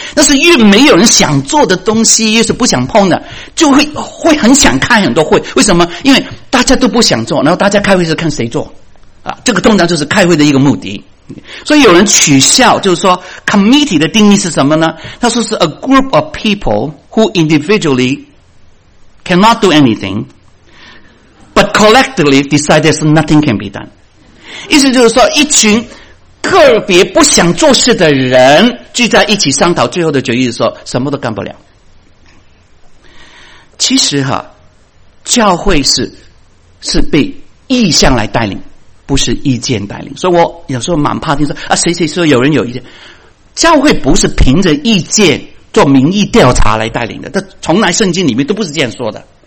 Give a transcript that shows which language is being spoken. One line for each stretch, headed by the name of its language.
Chinese: 但是越没有人想做的东西，越是不想碰的，就会很想开很多会。为什么？因为大家都不想做，然后大家开会是看谁做啊，这个通常就是开会的一个目的。所以有人取笑，就是说 committee 的定义是什么呢？他说是
English: a group of people who individually cannot do anything but collectively decide there's nothing can be done。
Chinese: 意思就是说一群个别不想做事的人聚在一起商讨，最后的决议是说什么都干不了。其实哈，教会是被意向来带领，不是意见带领。所以我有时候蛮怕听说啊，谁谁说有人有意见，教会不是凭着意见做民意调查来带领的，这从来圣经里面都不是这样说的。